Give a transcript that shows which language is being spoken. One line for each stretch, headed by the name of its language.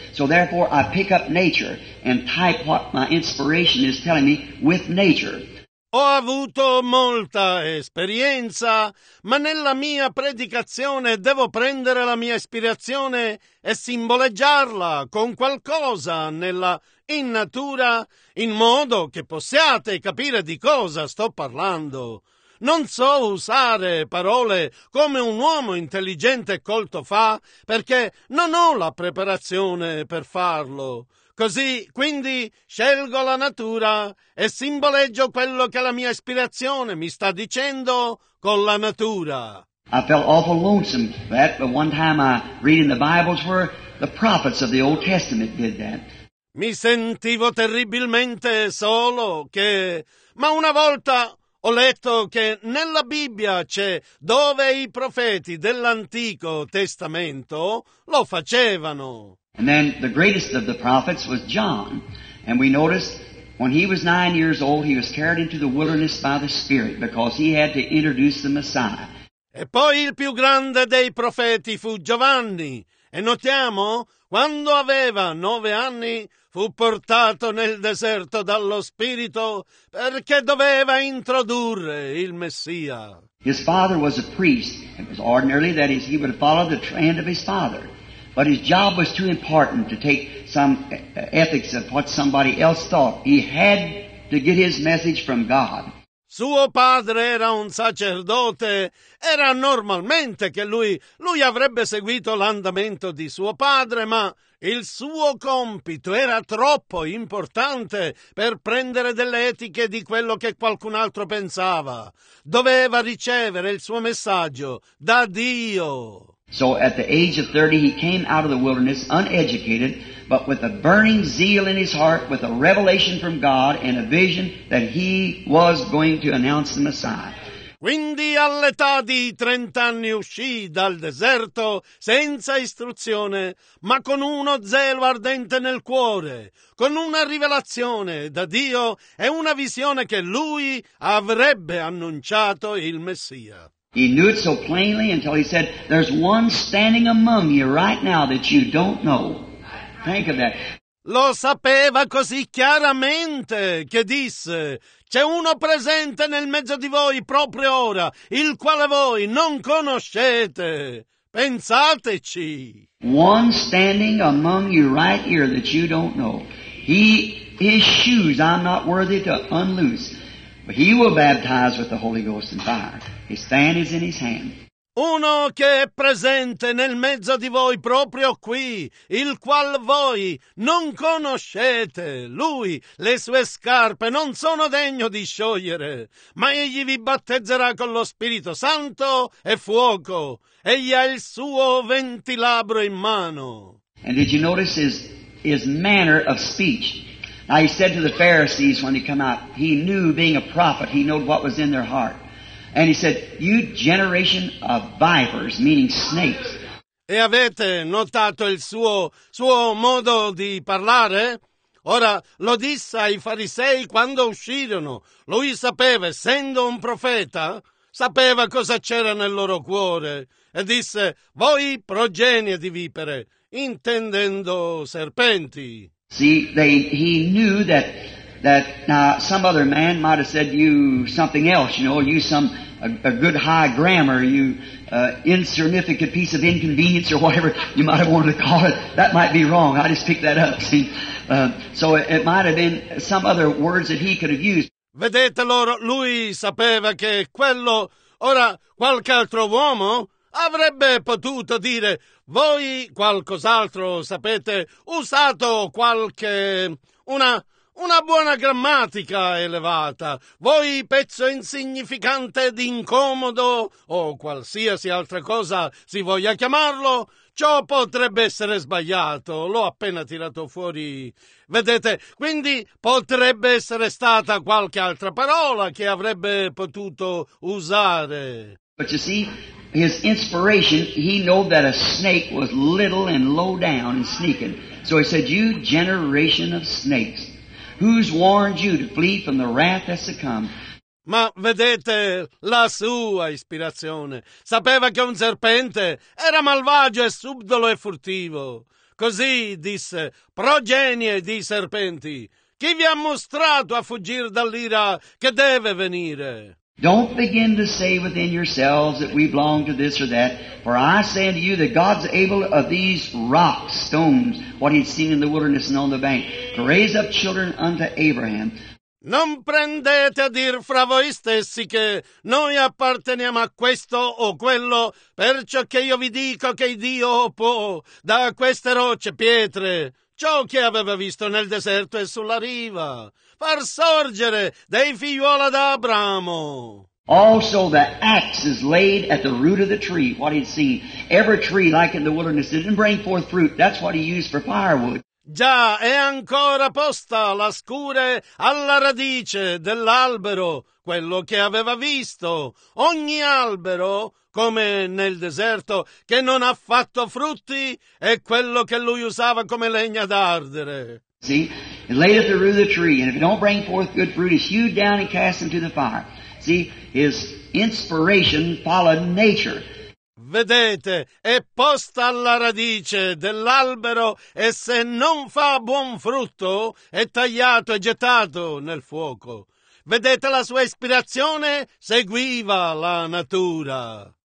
English: So therefore I pick up nature and type what my inspiration is telling me with nature.
Italian: Ho avuto molta esperienza, ma nella mia predicazione devo prendere la mia ispirazione e simboleggiarla con qualcosa nella in natura, in modo che possiate capire di cosa sto parlando. Non so usare parole come un uomo intelligente e colto fa, perché non ho la preparazione per farlo. Così, quindi, scelgo la natura e simboleggio quello che la mia ispirazione mi sta dicendo con la natura.
English: I felt awful lonesome for that, but one time I reading the Bibles where the prophets of the Old Testament did that.
Italian: Mi sentivo terribilmente solo che... Ma una volta ho letto che nella Bibbia c'è dove i profeti dell'Antico Testamento lo facevano.
English: And then the greatest of the prophets was John. And we noticed when he was 9 years old, he was carried into the wilderness by the Spirit because he had to introduce the Messiah.
Italian: E poi il più grande dei profeti fu Giovanni. E notiamo, quando aveva 9 anni, fu portato nel deserto dallo Spirito perché doveva introdurre il Messia.
English: His father was a priest. It was ordinarily that he would follow the trend of his father. But his job was too important to take some ethics of what somebody else thought. He had to get his message from God.
Italian: Suo padre era un sacerdote. Era normalmente che lui avrebbe seguito l'andamento di suo padre, ma il suo compito era troppo importante per prendere delle etiche di quello che qualcun altro pensava. Doveva ricevere il suo messaggio da Dio.
English: So at the age of 30 he came out of the wilderness uneducated, but with a burning zeal in his heart, with a revelation from God and a vision that he was going to announce the Messiah.
Italian: Quindi all'età di 30 anni uscì dal deserto senza istruzione, ma con uno zelo ardente nel cuore, con una rivelazione da Dio e una visione che lui avrebbe annunciato il Messia.
English: He knew it so plainly until he said, "There's one standing among you right now that you don't know." Think of that.
Italian: Lo sapeva così chiaramente che disse, "C'è uno presente nel mezzo di voi proprio ora, il quale voi non conoscete. Pensateci."
English: One standing among you right here that you don't know. His shoes I'm not worthy to unloose. But he will baptize with the Holy Ghost and fire. His fan is in his hand.
Italian: Uno che è presente nel mezzo di voi proprio qui, il qual voi non conoscete. Lui, le sue scarpe non sono degno di sciogliere, ma egli vi battezzerà con lo Spirito Santo e fuoco. Egli ha il suo ventilabro in mano.
English: And did you notice his manner of speech? Now he said to the Pharisees when he came out, he knew being a prophet, he knew what was in their heart. And he said, "You generation of vipers," meaning snakes.
Italian: E avete notato il suo modo di parlare? Ora lo disse ai farisei quando uscirono. Lui sapeva, essendo un profeta, sapeva cosa c'era nel loro cuore. E disse, "Voi progenie di vipere," intendendo serpenti.
English: See, he knew that. That now some other man might have said you something else, you know, you some a good high grammar, you insignificant piece of inconvenience or whatever you might have wanted to call it. That might be wrong. I just picked that up. See, so it might have been some other words that he could have used.
Italian: Vedete loro, lui sapeva che quello ora qualche altro uomo avrebbe potuto dire voi qualcos'altro, sapete, usato qualche una buona grammatica elevata, voi pezzo insignificante ed incomodo, o qualsiasi altra cosa si voglia chiamarlo, ciò potrebbe essere sbagliato, l'ho appena tirato fuori, vedete, quindi potrebbe essere stata qualche altra parola che avrebbe potuto usare.
English: But you see, his inspiration, he knew that a snake was little and low down and sneaking, so he said, "You generation of snakes. Who's warned you to flee from the wrath that's to come?"
Italian: Ma vedete la sua ispirazione. Sapeva che un serpente era malvagio e subdolo e furtivo. Così disse, progenie di serpenti, Chi vi ha mostrato a fuggire dall'ira che deve venire?
English: Don't begin to say within yourselves that we belong to this or that, for I say unto you that God's able of these rocks, stones, what he'd seen in the wilderness and on the bank, to raise up children unto Abraham.
Italian: Non prendete a dir fra voi stessi che noi apparteniamo a questo o quello, perciò che io vi dico che Dio può da queste rocce pietre ciò che aveva visto nel deserto e sulla riva far sorgere dei figliuoli ad Abramo.
English: Also the axe is laid at the root of the tree, what he'd seen. Every tree like in the wilderness didn't bring forth fruit, that's what he used for firewood.
Italian: Già, è ancora posta la scure alla radice dell'albero, quello che aveva visto. Ogni albero, come nel deserto, che non ha fatto frutti, è quello che lui usava come legna d'ardere.
English: See, it laid at the root of the tree, and if it don't bring forth good fruit, it's hewed down and cast into the fire. See, his inspiration followed nature.
Italian: Vedete, è posta alla radice dell'albero e se non fa buon frutto è tagliato e gettato nel fuoco. Vedete, la sua ispirazione seguiva la natura.